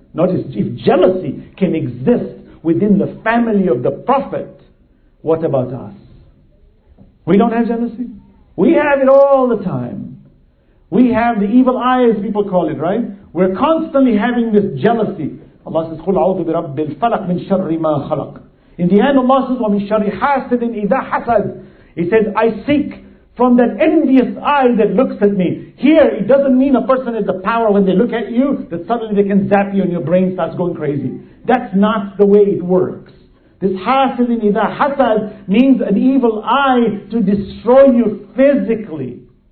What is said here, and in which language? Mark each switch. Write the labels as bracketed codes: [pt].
[en] Notice, if jealousy can exist within the family of the prophet, what about us? We don't have jealousy. We have it all the time. We have the evil eye, as people call it, right? We're constantly having this jealousy. Allah says, [ar] قُلْ أَعُوذُ بِرَبِّ الْفَلَقِ مِنْ شَرِّ مَا خَلَقْ. [en] In the end, Allah says, [ar] وَمِنْ شَرِّ حَاسِدٍ إِذَا حَسَدْ. [en] He says, I seek from that envious eye that looks at me. Here, it doesn't mean a person has the power when they look at you, that suddenly they can zap you and your brain starts going crazy. That's not the way it works. This [ar] حَاسِدٍ إِذَا حَسَدْ [en] means an evil eye to destroy you physically.